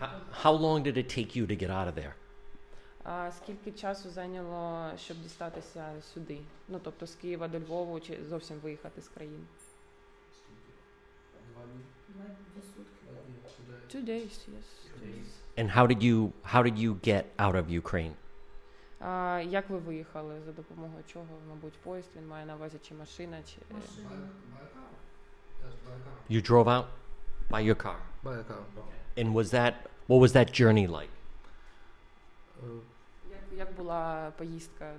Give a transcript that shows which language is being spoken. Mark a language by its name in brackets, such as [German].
[English] How long did it take you to get out of there? [Ukrainian] Скільки часу зайняло, щоб дістатися сюди? Ну, тобто з Києва до Львова чи зовсім виїхати з країни? [English] 2 days, yes. 2 days. And how did you get out of Ukraine? [Ukrainian] Як ви виїхали? За допомогою чого? Мабуть, поїзд, він має на увазі, чи машина, чи... [English] You drove out by your car? By your car. Okay. And what was that journey like? [Ukrainian] Як була поїздка?